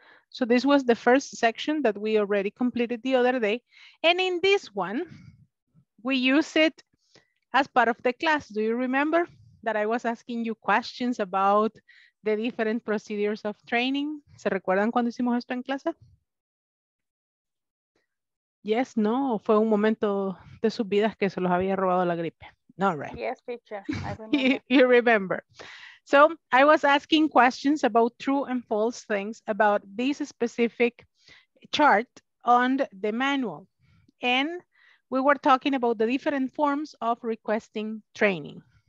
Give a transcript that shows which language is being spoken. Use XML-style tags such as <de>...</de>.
<en>So this was the first section that we already completed the other day. And in this one, we use it as part of the class. Do you remember that I was asking you questions about the different procedures of training?</en> <es>¿Se recuerdan cuando hicimos esto en clase? Yes, no, fue un momento de sus vidas que se los había robado la gripe.</es> <en>No, right. Yes, teacher, I remember. You remember. So I was asking questions about true and false things about this specific chart on the manual. And we were talking about the different forms of requesting training.</en>